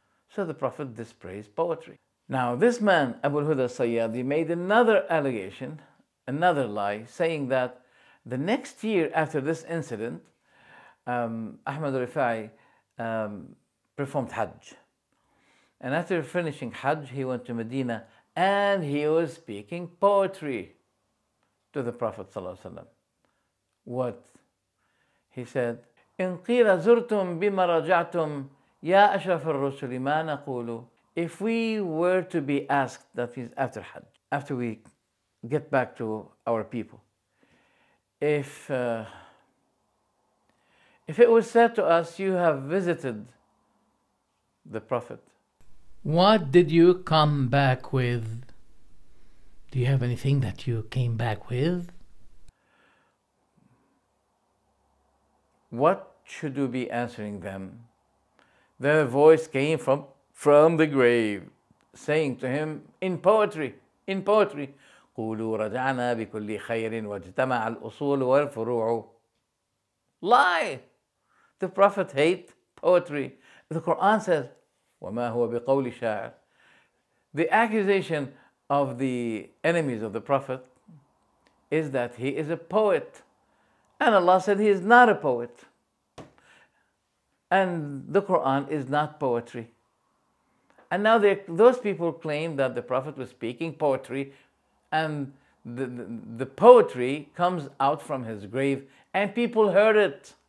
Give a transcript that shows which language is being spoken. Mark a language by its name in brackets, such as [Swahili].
[English] So the Prophet dispraised poetry. Now this man, Abu Huda Sayyadi, made another allegation, another lie, saying that the next year after this incident, Ahmad Rifaee performed Hajj. And after finishing Hajj, he went to Medina and he was speaking poetry to the Prophet ﷺ. What? [Arabic] He said, إِنْ قِيلَ زُرْتُمْ بِمَا رَجَعْتُمْ يَا أَشْرَفَ الرُّسُلِ مَا نَقُولُ. [English] If we were to be asked, that is after Hajj, after we get back to our people, if it was said to us, you have visited the Prophet, what did you come back with? Do you have anything that you came back with? What should we be answering them? Their voice came from the grave, saying to him in poetry, [Arabic] قولوا رجعنا بكل خير واجتمع الأصول والفروع. [English] Lie! The Prophet hates poetry. [Arabic] The Quran says, وما هو بقول شاعر. [English] The accusation of the enemies of the Prophet is that he is a poet. And Allah said he is not a poet. And the Quran is not poetry. And now those people claim that the Prophet was speaking poetry, and the poetry comes out from his grave, and people heard it.